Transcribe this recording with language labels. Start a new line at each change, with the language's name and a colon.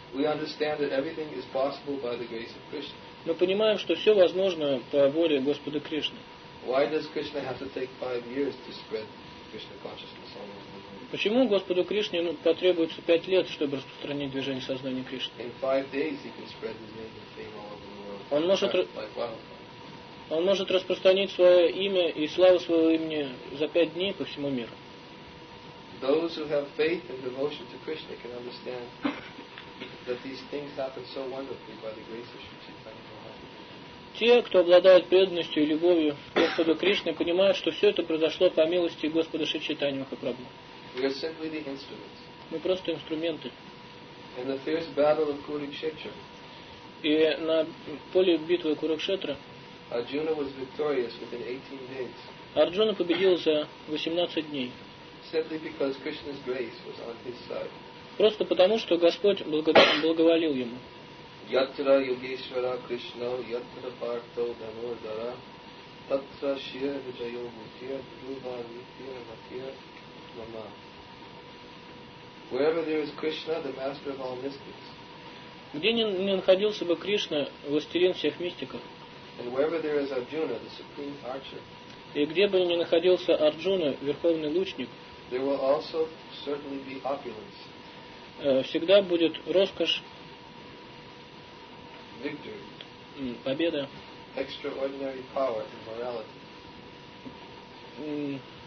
Russian: мы понимаем, что все возможно по милости Кришны. Мы понимаем, что все возможно по воле Господа Кришны.
English: Why does Krishna have to take 5 years to spread Krishna consciousness all over the world?
Russian: Почему Господу Кришне потребуется 5 лет, чтобы распространить движение сознания Кришны?
English: In 5 days he can spread his name and fame all over the world.
Russian: Он может распространить свое имя и славу своего имени за 5 дней по всему миру.
English: Those who have faith and devotion to Krishna can understand that these things happen so wonderfully by the grace of Shri Chaitanya Mahaprabhu.
Russian: Те, кто обладает преданностью и любовью к Господу Кришне, понимают, что все это произошло по милости Господа Шри Чайтанья Махапрабху.
English: We are simply the instruments.
Russian: Мы просто инструменты.
English: In the fierce battle of Kurukshetra,
Russian: и на поле битвы Курукшетра,
English: Arjuna was victorious within 18 days.
Russian: Арджуна победил за 18 дней.
English: Simply because Krishna's grace was on his side.
Russian: Просто потому, что Господь благоволил ему.
Sanskrit: Ятра Йогешвара Кришна, Ятра Парто Дамодара, Татра Шир Виджайо Бутия, Друва Нитья Матья Мама.
English: Wherever there is Krishna, the master of all mystics.
Russian: Где не находился бы Кришна, властелин всех мистиков.
English: And wherever there is Arjuna, the supreme archer.
Russian: И где бы не находился Арджуна, верховный лучник.
English: There will also certainly be opulence.
Russian: Всегда будет роскошь,
English: victory,
Russian: победа,
English: extraordinary power and morality,